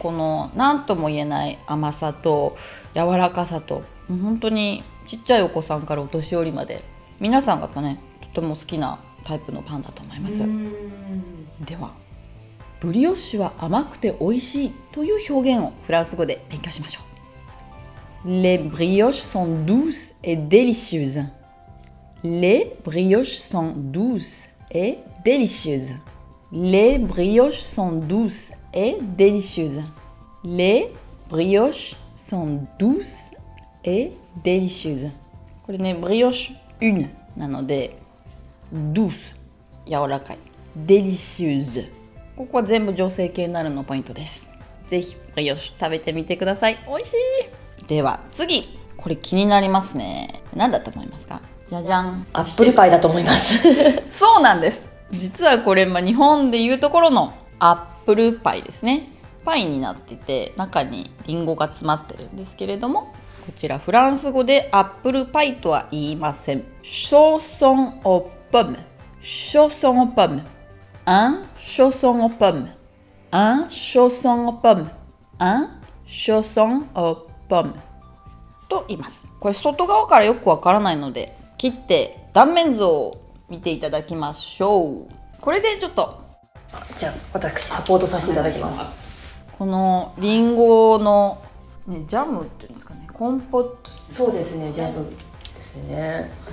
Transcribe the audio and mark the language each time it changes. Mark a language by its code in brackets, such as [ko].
[ja] この何とも言えない甘さと柔らかさと、本当にちっちゃいお子さんからお年寄りまで皆さんがね、とても好きなタイプのパンだと思います。ではブリオッシュは甘くて美味しいという表現をフランス語で勉強しましょう。 [fr] Les brioches sont douces et délicieuses. Les brioches sont douces et délicieuses. Les brioches sont douces et délicieuses. Les brioches sont douces et délicieuses. [ja] これね、ブリオッシュ [fr] une [ja] なので [fr] douce、 [ja] 柔らかい、 [fr] délicieuse、 [ja] ここは全部女性系になるのポイントです。ぜひブリオッシュ食べてみてください。美味しい。では次、これ気になりますね。何だと思いますか？じゃじゃん、アップルパイだと思います。そうなんです。実はこれ、日本でいうところのアップルパイですね。パイになっていて中にリンゴが詰まってるんですけれども、こちらフランス語でアップルパイとは言いません。ショーソンオパム、ショーソンオパム、 [fr] un chausson aux pommes, un chausson aux pommes, un chausson aux pommes [ja] と言います。これ外側からよくわからないので、切って断面図を見ていただきましょう。これでちょっと、じゃあ私サポートさせていただきます。このリンゴの、ね、ジャムっていうんですかね、コンポット。そうですね、ジャムですね、